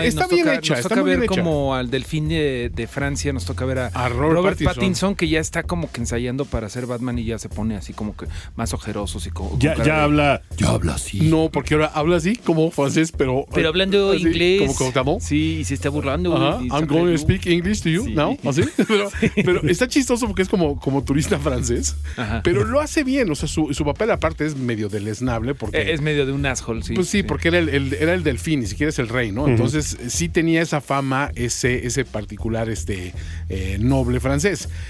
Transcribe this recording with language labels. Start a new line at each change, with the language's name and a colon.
Spanish: Está bien hecha. Nos toca ver como al delfín de Francia, nos toca ver a Robert Pattinson, que ya está como que ensayando para ser Batman y ya se pone así como que más ojeroso. Ya habla así. No, porque ahora habla así como francés, pero... Pero hablando así, inglés. Como contamo. Sí, y se está burlando.
English: I'm going to speak English to you now,
Spanish: ¿así? Pero está chistoso porque es como turista francés, pero lo hace bien. O sea, su papel aparte es medio deleznable porque... Es medio de un asshole, sí. Pues sí, porque era el delfín. Ni siquiera es el rey, ¿no? Uh-huh. Entonces, sí tenía esa fama, ese particular noble francés.